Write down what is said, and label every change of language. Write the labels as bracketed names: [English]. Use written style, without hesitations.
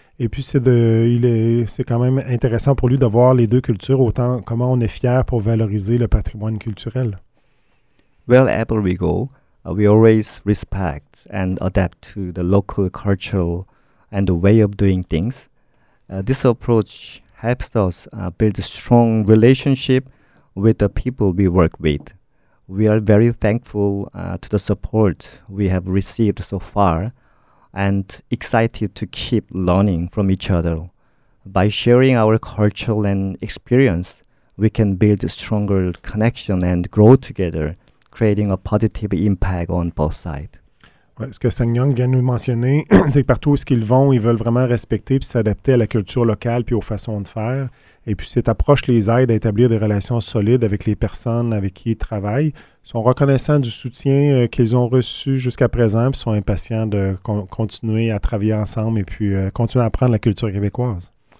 [French] Et puis, c'est quand même intéressant pour lui de voir les deux cultures, autant comment on est fiers pour valoriser le patrimoine culturel. [English] Wherever we go, we always respect and adapt to the local culture and the way of doing things. This approach helps us build a strong relationship with the people we work with. We are very thankful to the support we have received so far and excited to keep learning from each other. By sharing our culture and experience, we can build a stronger connection and grow together, creating a positive impact on both sides. [French] Ouais, ce que Seung-young vient nous mentionner, c'est que partout où ils vont, ils veulent vraiment respecter puis s'adapter à la culture locale puis aux façons de faire. Et puis, cette approche les aide à établir des relations solides avec les personnes avec qui ils travaillent. Ils sont reconnaissants du soutien qu'ils ont reçu jusqu'à présent et sont impatients de continuer à travailler ensemble et puis continuer à apprendre la culture québécoise.